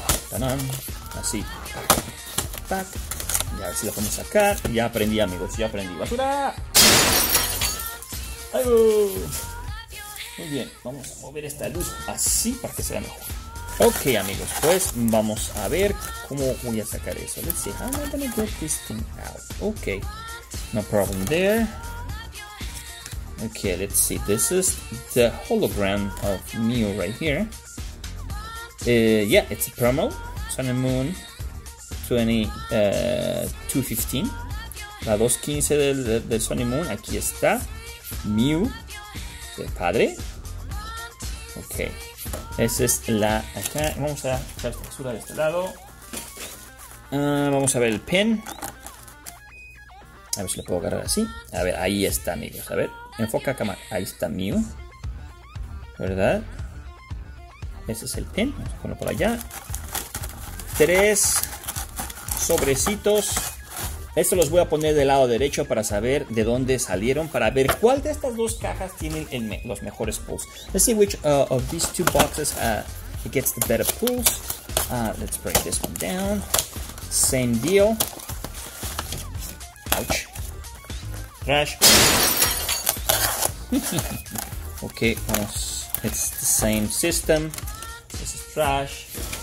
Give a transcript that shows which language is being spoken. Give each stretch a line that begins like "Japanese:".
Spanish: ¡Tanán! Así. ¡Tac! Y a ver si lo podemos sacar. Ya aprendí, amigos. Ya aprendí. ¡Basura! Muy bien, vamos a mover esta luz así para que sea mejor. Ok, amigos, pues vamos a ver cómo voy a sacar eso.
English: Let's see, how am I gonna get this thing out? Ok, no problem there. Ok, let's see, this is the hologram of Mew right here. It's a promo, Sun and Moon 215.
Spanish: La 215 de Sun and Moon, aquí está. Mew, el padre. Ok, esa es la. Acá vamos a echar esta basura de este lado. Vamos a ver el pin. A ver si lo puedo agarrar así. A ver, ahí está, amigos. A ver, enfoca cámara. Ahí está Mew, ¿verdad? Ese es el pin. Vamos a ponerlo por allá. Tres sobrecitos. Esto los voy a poner del lado derecho para saber de dónde salieron, para ver cuál de estas dos cajas tienen los mejores pulls.
English: Let's see which of these two boxes gets the better pulls. Let's break this one down. Same deal. Ouch. Trash. Okay, it's the same system. This is trash.